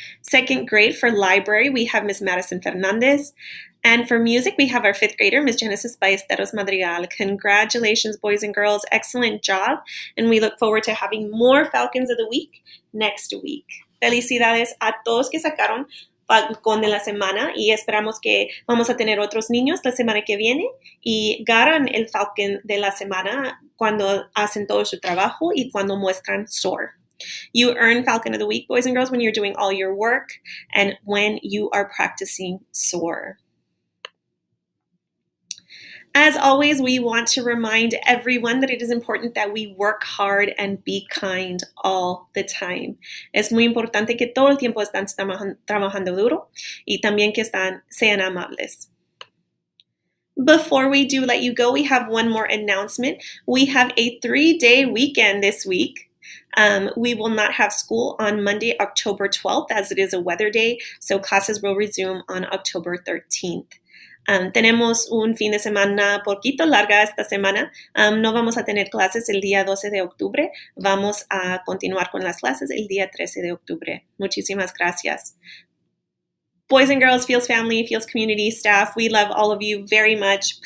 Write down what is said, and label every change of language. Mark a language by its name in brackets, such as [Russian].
[English] Second grade for library, we have Ms. Madison Fernandez. And for music, we have our fifth grader, Ms. Genesis Ballesteros Madrigal. Congratulations, boys and girls. Excellent job. And we look forward to having more Falcons of the Week next week. [Spanish] Felicidades a todos que sacaron Falcón de la Semana. Y esperamos que vamos a tener otros niños la semana que viene. Y ganan el Falcón de la Semana cuando hacen todo su trabajo y cuando muestran SOAR. [English] You earn Falcon of the Week, boys and girls, when you're doing all your work and when you are practicing SOAR. As always, we want to remind everyone that it is important that we work hard and be kind all the time. [Spanish] Es muy importante que todo el tiempo están trabajando duro y también que sean amables. [English] Before we do let you go, we have one more announcement. We have a 3-day weekend this week. We will not have school on Monday, October 12th, as it is a weather day, so classes will resume on October 13th. [Spanish] Tenemos un fin de semana poquito larga esta semana. No vamos a tener clases el día 12 de octubre. Vamos a continuar con las clases el día 13 de octubre. Muchísimas gracias. [English] Boys and girls, Fields family, Fields community, staff, we love all of you very much.